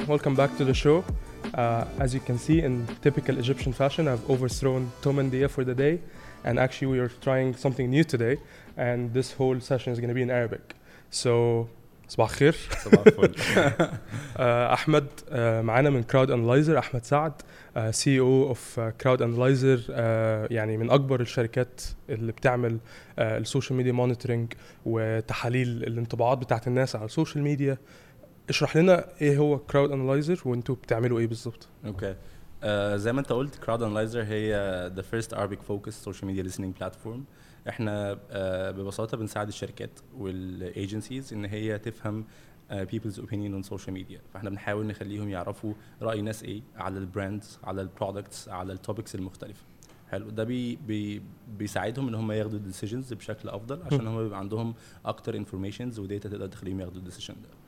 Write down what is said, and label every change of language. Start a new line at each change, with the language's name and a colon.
English: Welcome back to the show. As you can see, in typical Egyptian fashion, I've overthrown Tom and Dia for the day. And actually, we are trying something new today. And this whole session is going to be in Arabic. So,
Arabic: صباح خير. Ahmed, معنا من Crowd Analyzer, Ahmed Saad, CEO of Crowd Analyzer, يعني من أكبر الشركات اللي بتعمل السوشيال ميديا مونيتورينج وتحاليل الانطباعات بتاعت الناس على السوشيال ميديا. اشرح لنا ايه هو Crowd Analyzer وانتوا بتعملوا ايه بالظبط. اوكي. زي ما انت قلت,
English: Crowd Analyzer
Arabic: هي
English: the first Arabic focused social media listening platform.
Arabic: احنا ببساطة بنساعد الشركات والagencies ان هي تفهم
English: people's opinion on social media.
Arabic: فاحنا بنحاول نخليهم يعرفوا رأي ناس ايه على البراندز, على البرودكتس, على التوبكس المختلفة. حلو. ده بيساعدهم ان هم ياخدوا decisions بشكل افضل, عشان هم بيبقى عندهم اكتر informations وداتا تقدر تخليهم ياخدوا decision ده.